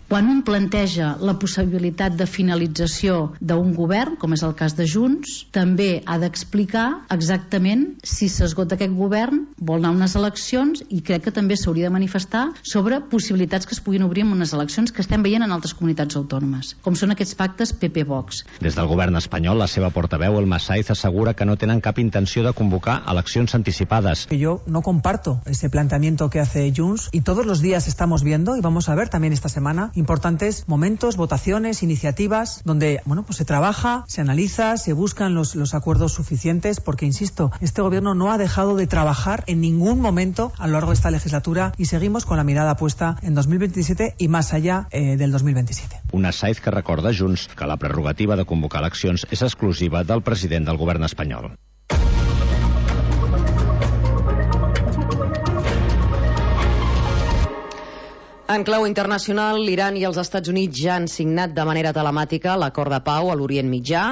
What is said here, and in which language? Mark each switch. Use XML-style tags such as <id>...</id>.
<ca>Quan un planteja la possibilitat de finalització d'un govern, com és el cas de Junts, també ha d'explicar exactament si s'esgota aquest govern, vol anar a unes eleccions i crec que també s'hauria de manifestar sobre possibilitats que es puguin obrir en unes eleccions que estem veient en altres comunitats autònomes, com són aquests pactes PP-Vox. Des del govern espanyol, la seva portaveu, Elma Sáiz, assegura que no tenen cap intenció de convocar eleccions anticipades.</ca> <es>Yo no comparto ese planteamiento que hace Junts y todos los días estamos viendo y vamos a ver también esta semana importantes momentos, votaciones, iniciativas donde, bueno, pues se trabaja, se analiza, se buscan los acuerdos suficientes porque, insisto, este gobierno no ha dejado de trabajar en ningún momento a lo largo de esta legislatura y seguimos con la mirada puesta en 2027 y más allá del 2027.</es> <ca>Una Sáiz que recorda a Junts que la prerrogativa de convocar eleccions és exclusiva del president del govern espanyol. En clau internacional, l'Iran i els Estats Units ja han signat de manera telemàtica l'acord de pau a l'Orient Mitjà.</ca>